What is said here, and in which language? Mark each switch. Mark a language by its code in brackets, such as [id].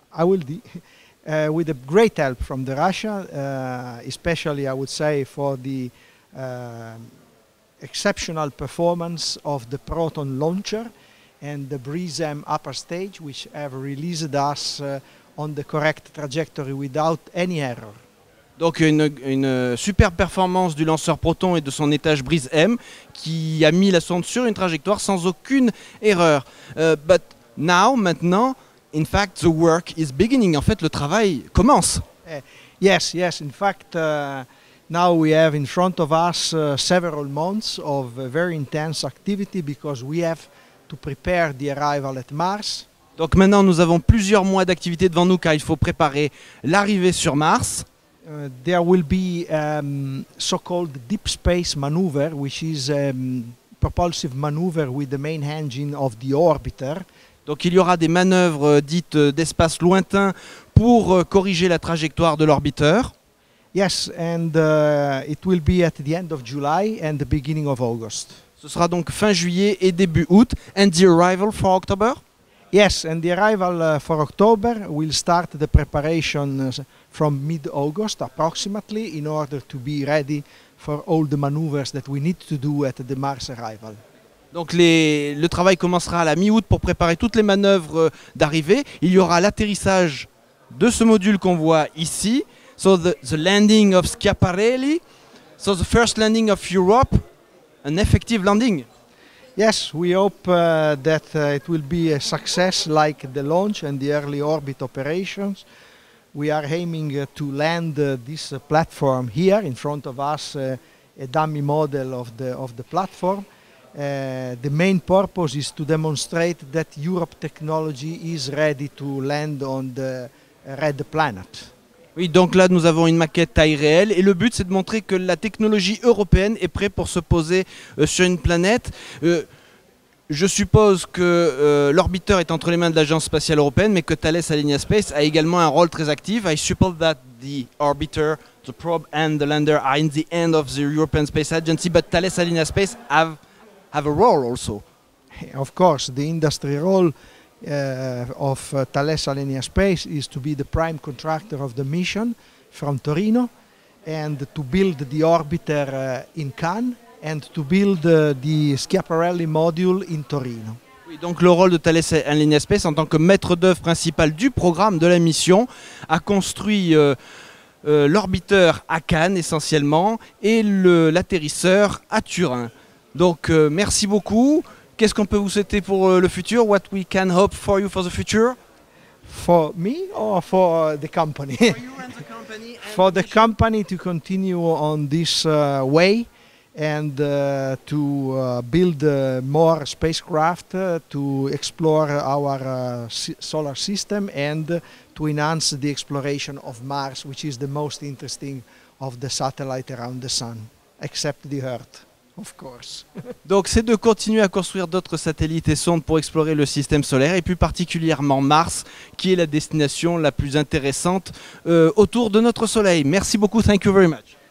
[en] I will be with a great help from the Russia, especially I would say for the exceptional performance of the Proton launcher and the BRISM upper stage, which have released us on the correct trajectory without any error. [fr] Donc une super performance du lanceur Proton et de son étage BRISM qui a mis la sonde sur une trajectoire sans aucune erreur. [en] But now, maintenant, in fact, the work is beginning. [fr] En fait, le travail commence. [en] Yes. In fact, now we have in front of us several months of very intense activity because we have to prepare the arrival at Mars. [fr] Donc maintenant nous avons plusieurs mois d'activité devant nous car il faut préparer l'arrivée sur Mars. [en] There will be so-called deep space maneuver, which is a propulsive maneuver with the main engine of the orbiter. [fr] Donc il y aura des manœuvres dites d'espace lointain pour corriger la trajectoire de l'orbiteur. [en] Yes, and it will be at the end of July and the beginning of August. [fr] Ce sera donc fin juillet et début août. [en] And the arrival for October? Yes, and the arrival for October will start the preparation from mid-August approximately in order to be ready for all the maneuvers that we need to do at the Mars arrival. Donc le travail commencera à la mi-août pour préparer toutes les manœuvres d'arrivée. [fr] Il y aura l'atterrissage de ce module qu'on voit ici. [en] So the landing of Schiaparelli. So the first landing of Europe. An effective landing. Yes, we hope that it will be a success like the launch and the early orbit operations. We are aiming to land this platform here in front of us, a dummy model of the platform. The main purpose is to demonstrate that Europe technology is ready to land on the red planet. [fr] Oui, donc là nous avons une maquette taille réelle et le but c'est de montrer que la technologie européenne est prête pour se poser sur une planète. Je suppose que l'orbiteur est entre les mains de l'Agence spatiale européenne mais que Thales Alenia Space a également un rôle très actif. [en] I suppose that the orbiter, the probe and the lander are in the hand of the European Space Agency, but Thales Alenia Space have a role also. Of course, the industry role of Thales Alenia Space is to be the prime contractor of the mission from Torino and to build the orbiter in Cannes and to build the Schiaparelli module in Torino. [fr] Oui, donc le rôle de Thales Alenia Space en tant que maître d'œuvre principal du programme de la mission a construit l'orbiteur à Cannes essentiellement et l'atterrisseur à Turin. Donc merci beaucoup. Qu'est-ce qu'on peut vous souhaiter pour le futur? [en] What we can hope for you for the future? For me or for the company? For you and the company. And for the company to continue on this way and to build more spacecraft to explore our solar system and to enhance the exploration of Mars, which is the most interesting of the satellites around the sun, except the Earth. Of course. [fr] Donc c'est de continuer à construire d'autres satellites et sondes pour explorer le système solaire et plus particulièrement Mars qui est la destination la plus intéressante autour de notre soleil. Merci beaucoup. [en] Thank you very much.